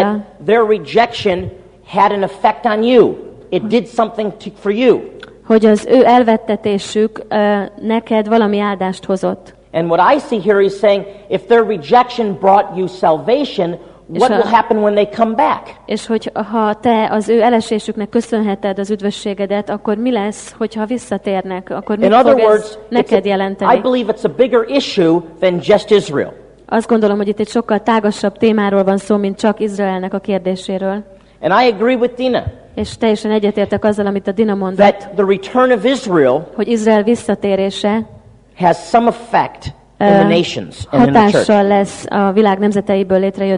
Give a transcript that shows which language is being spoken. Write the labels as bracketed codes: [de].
[en] that their rejection had an effect on you. It did something to, for you. [hu] Hogy az ő elvettetésük neked valami áldást hozott. [en] And what I see here is saying, if their rejection brought you salvation, what will happen when they come back? [hu] És hogy ha te az ő elesésüknek köszönheted az üdvösségedet, akkor mi lesz, hogyha visszatérnek? Akkor mit [en] in other words, [hu] neked jelenteni? [en] I believe it's a bigger issue than just Israel. [hu] Azt gondolom, hogy itt egy sokkal tágasabb témáról van szó, mint csak Izraelnek a kérdéséről. [en] And I agree with Dina. [hu] És teljesen egyetértek azzal, amit a Dina mondott. [en] That the return of Israel, [hu] hogy Izrael visszatérése [en] has some effect in the nations and in the church. [hu] Hatással lesz a világ nemzeteiből létrejött